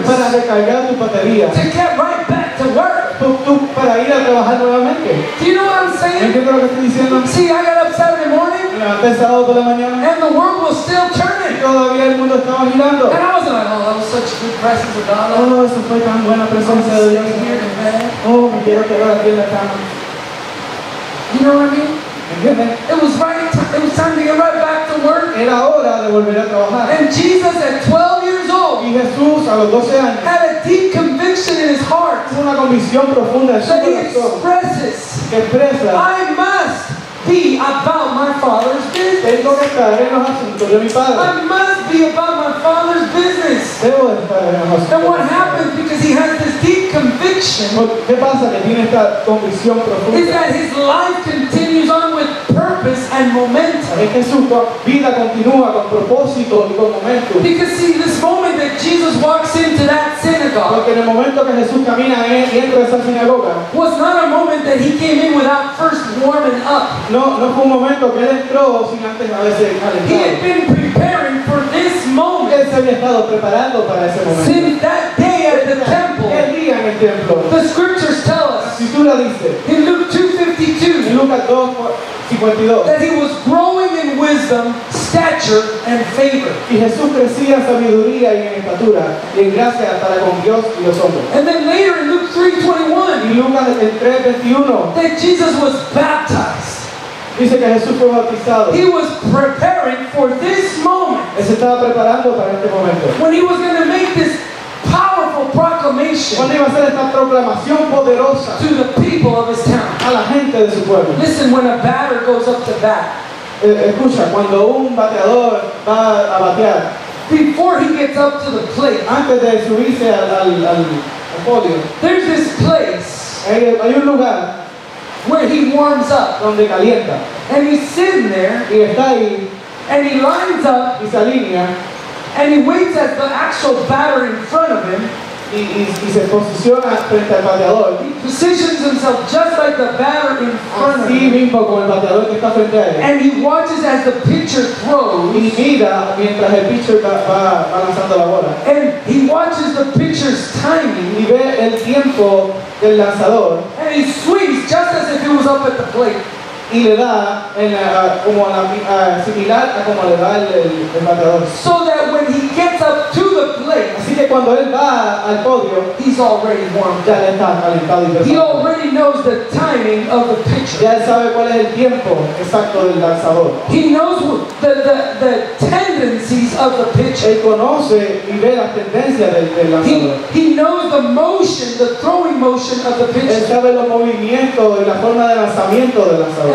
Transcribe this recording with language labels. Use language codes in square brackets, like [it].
[es] Es para recargar tu batería. [en] To get right back to work. [es] Tú para ir a trabajar nuevamente. [en] Do you know what I'm saying? [es] ¿Entiendes lo que estoy diciendo? [en] See, I got up Saturday morning. And the world was still turning. And I was like, oh, that was such a good presence of God. [es] Oh, eso fue tan buena presencia de Dios. Oh, me quiero quedar aquí en la cama. [en] You know what I mean? It was time to get right back to work. [es] Era hora de volver a trabajar. [en] And Jesus at 12 years old. [es] Y Jesús a los 12 años. [en] Had a deep conviction in his heart. [es] Una convicción profunda en su corazón. [en] That he expresses. [es] Que expresa. [en] I must be about my father's business. I must be about my father's business. And what happens because he has this deep conviction is that his life continues on with purpose and momentum. Because see, this moment that Jesus walks into that synagogue, [es] porque en el momento que Jesús camina y entra a esa sinagoga, [en] was not a moment that he came in without first warming up. [es] No, no fue un momento que él entró sin antes haberse calentado. [en] He had been preparing for this moment. moment. [es] Él se había estado preparando para ese momento. [en] Since that day at the temple. [es] El día en el templo. [en] The scriptures tell us. [es] Escritura dice. [en] In Luke 2:52. That he was growing in wisdom, stature, and favor. [es] Y Jesús crecía en sabiduría y en estatura y en gracia para con Dios y los hombres. [en] And then later in Luke 3:21. [es] Y Lucas en 3:21. [en] That Jesus was baptized. [es] Dice que Jesús fue bautizado. [en] He was preparing for this moment. [es] Él se estaba preparando para este momento. [en] When he was going to make this powerful proclamation. [es] Cuando iba a hacer esta proclamación poderosa. [en] To the people of his town. [es] A la gente de su pueblo. [en] Listen, when a batter goes up to bat. [es] Escucha, cuando un bateador va a batear. [en] Before he gets up to the plate. [es] Antes de subirse al podio. [en] There's this place. [es] Hay un lugar. [en] Where he warms up, [es] donde calienta, [en] and he's sitting there, [es] y está ahí, [en] and he lines up, [es] y se alinea, [en] and he waits at the actual batter in front of him, [es] y se posiciona frente al bateador. [en] He positions himself just like the batter in front [es] así [en] of him, [es] mismo como el bateador que está frente a él. [en] And he watches as the pitcher throws, [es] y mira mientras el pitcher va lanzando la bola. [en] And he watches the pitcher's timing, [es] y ve el tiempo del lanzador. [en] And he swings just as if he was up at the plate. [es] Y le da en similar a como le da el bateador. [en] So that when he gets up to the plate, [es] así que cuando él va al podio, [en] he's already warmed. [es] Ya le está calentado. [en] He already knows the timing of the pitcher. [es] Ya sabe cuál es el tiempo exacto del lanzador. [en] He knows the tendencies of the pitcher. [es] Él conoce y ve las tendencias del lanzador. [en] He knows the motion, the throwing motion of the pitcher. [es] Él sabe los movimientos y la forma de lanzamiento del lanzador.